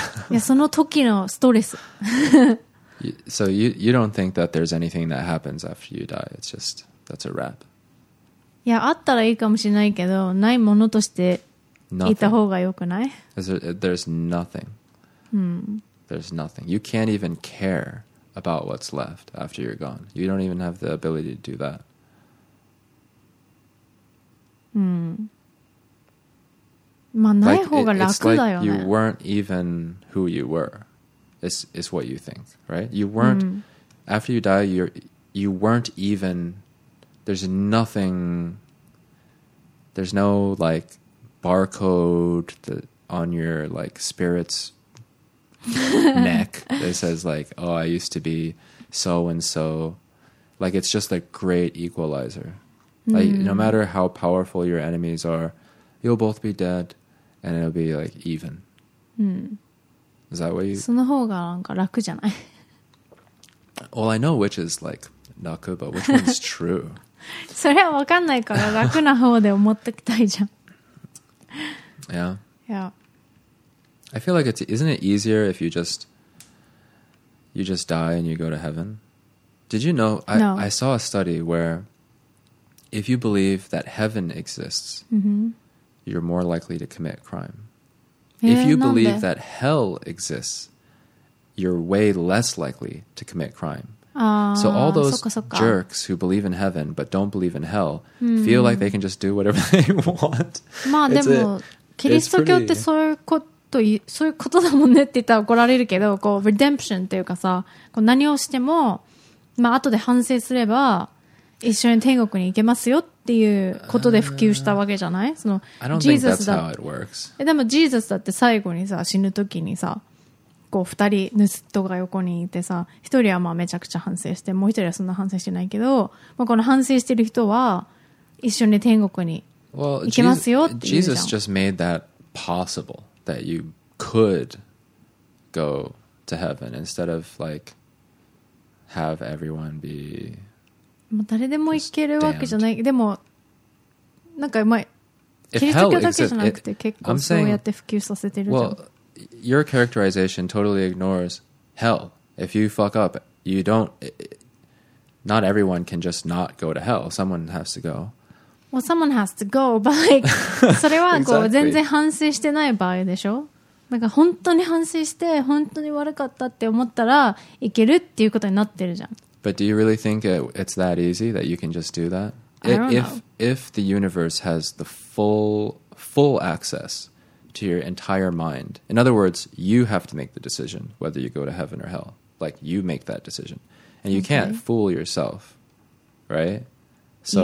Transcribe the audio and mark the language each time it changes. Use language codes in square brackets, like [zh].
[ja] いや、その時のストレス。 [en] So you don't think that there's anything that happens after you die? It's just that's a wrap. [ja] いや、あったらいいかもしれないけど、ないものとしていた方がよくない? [en] There's nothing. There's nothing. You can't even care about what's left after you're gone. You don't even have the ability to do that. [ja] うん、まあない方が楽だよね。 [en] Like, it's like you weren't even who you were. It's what you think, right? You weren't、うん、after you die. You weren't even. There's nothing. There's no like barcode on your like spirit's neck that says like, "Oh, I used to be so and so." Like it's just a great equalizer. Like, no matter how powerful your enemies are, you'll both be dead, and it'll be, like, even.、 Mm. Is that what you... [ja] その方がなんか楽じゃない? [en] Well, I know which is, like, 楽, but which one's true? [ja] それは分かんないから楽な方で思ってきたいじゃん。 [en] Yeah. Yeah. I feel like isn't it easier if you just die and you go to heaven? Did you know... No. I saw a study where...If you believe that heaven exists,、 mm-hmm. you're more likely to commit crime. If you believe that hell exists, you're way less likely to commit crime. So all those jerks who believe in heaven but don't believe in hell feel like they can just do whatever they want. [ja] まあでもキリスト教ってそういうこと、そういうことだもんねって言ったら怒られるけど、こう redemption っていうかさ、こう何をしてもまあ後で反省すれば一緒に天国に行けますよっていうことで普及したわけじゃない？その、ジーザスだ。 [en] I don't think that's how it works. [ja] でもジーザスだって最後にさ死ぬ時にさ。こう二人ヌスッとが横にいてさ、一人はまあめちゃくちゃ反省して、もう一人はそんな反省してないけど、まあ、この反省してる人は一緒に天国に行けますよっていうじゃん。 [en] Jesus just made that possible that you could go to heaven instead of like have everyone be. [ja] まあ誰でも行けるわけじゃない。でもなんかまあキリスト教だけじゃなくて結構そうやって普及させてるじゃん。 [en] Your characterization totally ignores hell. If you fuck up, you don't. Not everyone can just not go to hell. Someone has to go. Well, someone has to go, but like, [ja] それはこう全然反省してない場合でしょ。なんか本当に反省して本当に悪かったって思ったら行けるっていうことになってるじゃん。 [en] But do you really think it's that easy that you can just do that? I don't know if the universe has the full access. To your entire mind. In other words, you have to make the decision whether you go to heaven or hell. Like, you make that decision. And you can't fool yourself, right? So,